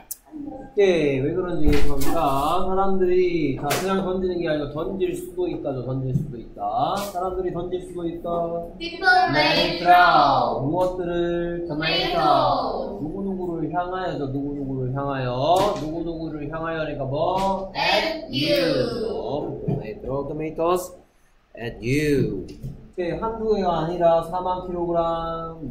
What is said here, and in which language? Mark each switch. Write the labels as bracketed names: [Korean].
[Korean] 오케이, 왜 그런지 얘기합니다. 사람들이 다 그냥 던지는 게 아니고 던질 수도 있다죠. 던질 수도 있다. 사람들이 던질 수도 있다. [English] People may throw. [Korean] 무엇들을? [English] Tomato. [Korean] 누구누구를 향하여죠. 누구누구를 향하여. 누구누구를 향하여니까 뭐? [English] At you. People may throw tomatoes at you. [Korean] 오케이, 한두 개가 아니라 4만 킬로그램.